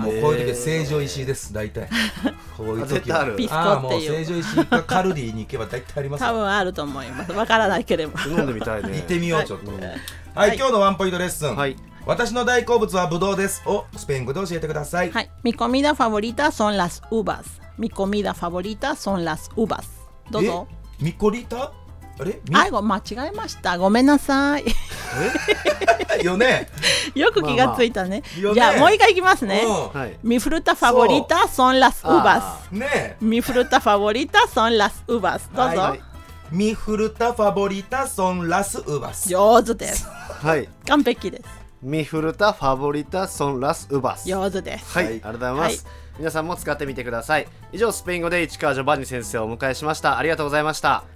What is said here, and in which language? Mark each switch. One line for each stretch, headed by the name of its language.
Japanese: もうこういう時は成城石井です、大体こういう時はピスコっていう、成城石井かカルディに行けば大体あります。多分あると思います、わからないけれども飲んでみたいね行ってみよう、ちょっと、はいはい、はい、今日のワンポイントレッスン、はい、私の大好物はブドウですをスペイン語で教えてください。はい、
Spanish: mi comida favorita son las uvas. mi comida favorita son las uvas.
Japanese: どうぞ。ミコリタ、あれ、あ、間違えました、ごめんなさい。え、よね、よく気がついたね、まあまあ、じゃあもう一回いきますね、
Spanish: mi fruta favorita son las uvas.
Japanese: ね、
Spanish: mi fruta favorita son las uvas.
Japanese: どうぞ、はいはい、
Spanish: ミフルタファボリタソンラスウバス。
Japanese: 上手です。はい。完璧です。
Spanish: ミフルタファボリタソンラスウバス。
Japanese: 上手です、はい。はい。ありがとうございます、はい。皆さんも使ってみてください。以上、スペイン語で市川ジョバンニ先生をお迎えしました。ありがとうございました。